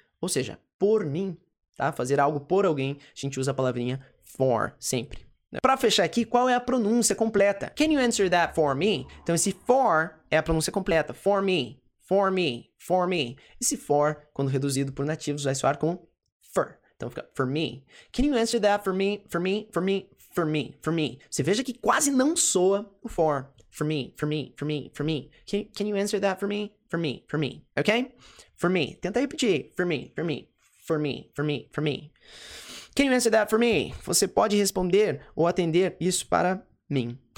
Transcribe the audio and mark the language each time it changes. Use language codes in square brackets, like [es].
[pt] Ou seja, por mim, tá? Fazer algo por alguém. A gente usa a palavrinha for sempre. Pra fechar aqui, qual é a pronúncia completa? [en] Can you answer that for me? [pt] Então, esse for é a pronúncia completa. [en] For me, for me, for me. [pt] Esse for, quando reduzido por nativos, vai soar com for. Então, fica for me. [en] Can you answer that for me, for me, for me, for me, for me? [pt] Você veja que quase não soa o for. [en] For me, for me, for me, for me. Can you answer that for me? For me, for me. Ok? For me. [pt] Tenta repetir. [en] For me, for me, for me, for me, for me. Can you answer that for me? [pt] Você pode responder ou atender isso para mim.